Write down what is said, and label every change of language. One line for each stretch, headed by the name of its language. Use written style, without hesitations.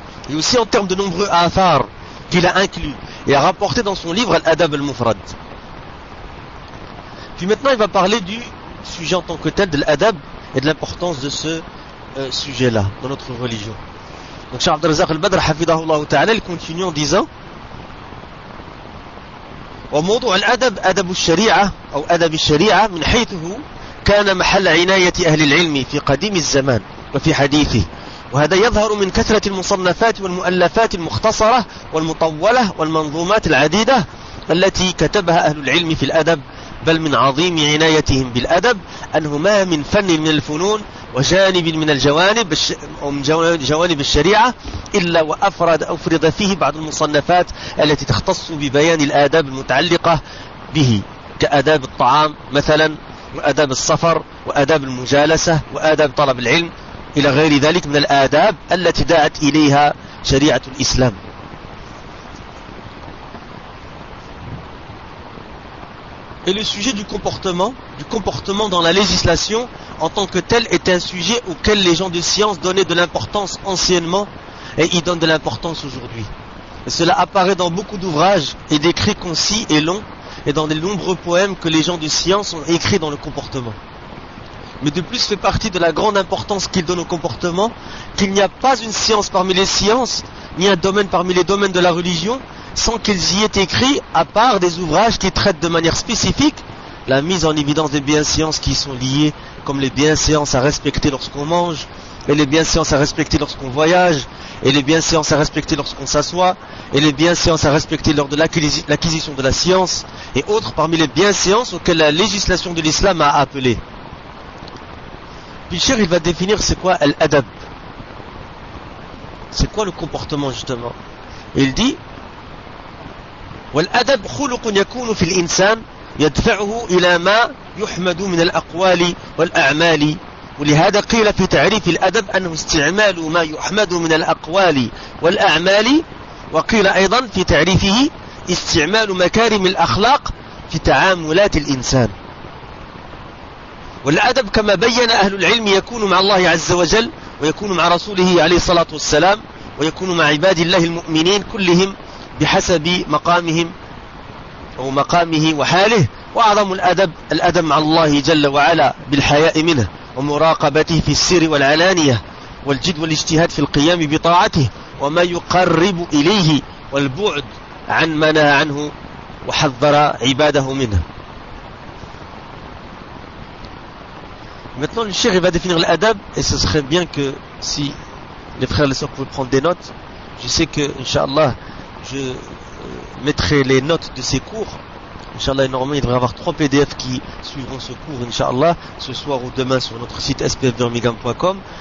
French: Et aussi en termes de nombreux athar qu'il a inclus et a rapporté dans son livre Al-Adab Al-Mufrad. Puis maintenant il va parler du sujet en tant que tel, de l'adab et de l'importance de ce sujet-là dans notre religion. Donc Cheikh Abdelrazak Al-Badr, hafidahullah ta'ala, il continue en disant
Arabic: وموضوع الأدب أدب الشريعة أو أدب الشريعة من حيثه كان محل عناية أهل العلم في قديم الزمان وفي حديثه وهذا يظهر من كثرة المصنفات والمؤلفات المختصرة والمطولة والمنظومات العديدة التي كتبها أهل العلم في الأدب بل من عظيم عنايتهم بالأدب أنه ما من فن من الفنون وجانب من الجوانب أو من جوانب الشريعة إلا وأفرد أفرد فيه بعض المصنفات التي تختص ببيان الآداب المتعلقة به كآداب الطعام مثلا وآداب السفر وآداب المجالسة وآداب طلب العلم إلى غير ذلك من الآداب التي دعت إليها شريعة الإسلام.
French: Et le sujet du comportement dans la législation en tant que tel, est un sujet auquel les gens de science donnaient de l'importance anciennement et y donnent de l'importance aujourd'hui. Et cela apparaît dans beaucoup d'ouvrages et d'écrits concis et longs et dans les nombreux poèmes que les gens de science ont écrits dans le comportement. Mais de plus fait partie de la grande importance qu'ils donnent au comportement qu'il n'y a pas une science parmi les sciences ni un domaine parmi les domaines de la religion sans qu'ils y aient écrit, à part des ouvrages qui traitent de manière spécifique la mise en évidence des bien-sciences qui y sont liées, comme les bien-sciences à respecter lorsqu'on mange, et les bien-sciences à respecter lorsqu'on voyage, et les bien-sciences à respecter lorsqu'on s'assoit, et les bien-sciences à respecter lors de l'acquisition de la science, et autres parmi les bien-sciences auxquelles la législation de l'islam a appelé. Puis cher, il va définir c'est quoi l'adab. C'est quoi le comportement justement. Il dit...
Arabic: والأدب خلق يكون في الإنسان يدفعه إلى ما يحمد من الأقوال والأعمال ولهذا قيل في تعريف الأدب أنه استعمال ما يحمد من الأقوال والأعمال وقيل أيضا في تعريفه استعمال مكارم الأخلاق في تعاملات الإنسان والأدب كما بين أهل العلم يكون مع الله عز وجل ويكون مع رسوله عليه الصلاة والسلام ويكون مع عباد الله المؤمنين كلهم بحسب مقامهم أو مقامه وحاله وأعظم الأدب الأدب مع الله جل وعلا بالحياء منه ومراقبته في السر والعلانية والجد والاجتهاد في القيام بطاعته وما يقرب إليه والبعد عن ما نهى عنه وحذر عباده منه.
French: Maintenant le cheikh va définir l'adab et ce serait bien que si les frères les soeurs pouvaient prendre des notes. Je sais que inshallah je mettrai les notes de ces cours. Inch'Allah, normalement, il devrait y avoir 3 PDF qui suivront ce cours, Inch'Allah, ce soir ou demain sur notre site spfbirmingham.com.